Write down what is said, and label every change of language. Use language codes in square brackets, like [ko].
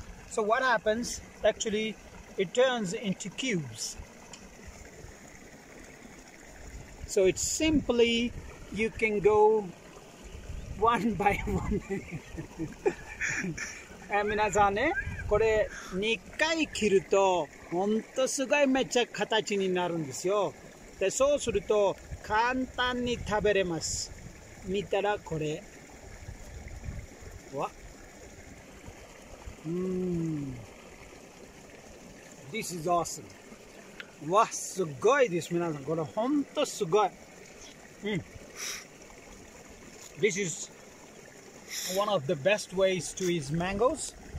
[en] So what happens? Actually, it turns into cubes. So it's simply, you can go one by one. [ja] 皆さんね、これ2回切ると本当すごいめっちゃ形になるんですよ。で、そうすると簡単に食べれます。見たらこれ、わ、 [en] This is awesome。 [ja] わ、すごいです皆さん、これ本当すごい。 [en] This is one of the best ways to eat mangoes.